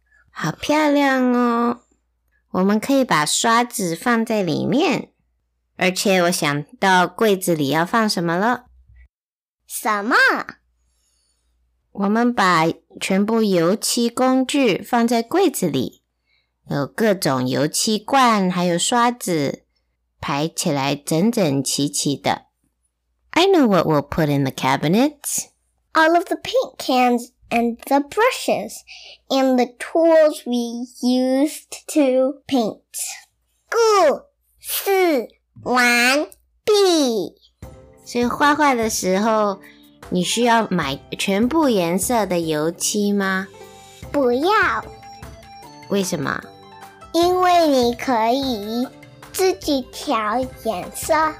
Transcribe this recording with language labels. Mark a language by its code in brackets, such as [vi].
[zh] 好漂亮哦，我们可以把刷子放在里面，而且我想到柜子里要放什么了。什么？我们把全部油漆工具放在柜子里，有各种油漆罐还有刷子，排起来整整齐齐的。 [en] I know what we'll put in the cabinets. All of the paint cans and the brushes and the tools we used to paint. [zh] 故事完毕。所以画画的时候你需要买全部颜色的油漆吗？不要。为什么？因为你可以自己调颜色。